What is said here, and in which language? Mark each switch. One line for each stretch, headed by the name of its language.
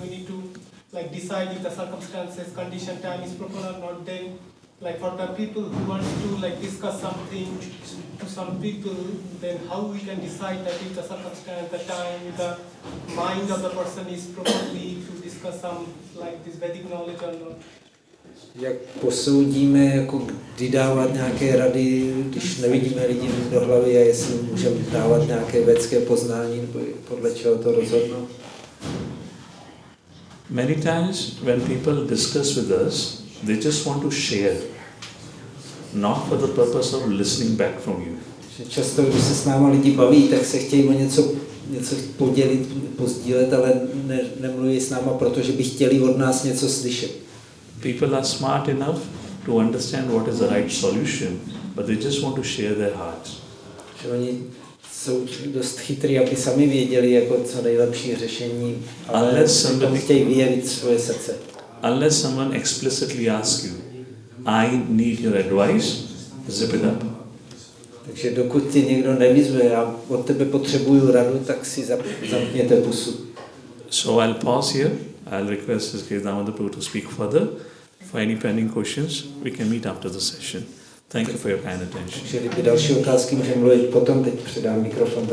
English: We need to like decide if the circumstances, condition, time is proper or not. Then, like for the people who want to like discuss something to some people, then how we can decide that if the circumstance, the time, the mind of the person is properly to discuss some like this Vedic knowledge or not.
Czech: Jak posoudíme, jako kdy dávat nějaké rady, když nevidíme lidi do hlavy a jestli můžeme dávat nějaké vědecké poznání, podle čeho to rozhodnout?
English: Many times when people discuss with us, they just want to share, not for the purpose of listening back from you.
Czech: Často, když se s námi lidi baví, tak se chtějí o něco podělit, pozdílet, ale nemluví s námi, protože by chtěli od nás něco slyšet.
English: People are smart enough to understand what is the right solution, but they just want to share their hearts.
Czech: Oni jsou dost chytrý, aby sami věděli, jako co nejlepší řešení, ale oni chtějí vyjevit svoje srdce.
English: Unless someone explicitly asks you, I need your advice, zip it up.
Czech: Takže dokud tě někdo nevyzve, já od tebe potřebuju radu, tak si zapněte pusu.
English: So I'll pause here. I'll request his Grace Damodar Prabhu to speak further. For any pending questions, we can meet after the session. Thank you for your kind attention.
Czech: Další otázky můžeme mluvit potom, teď předám mikrofon.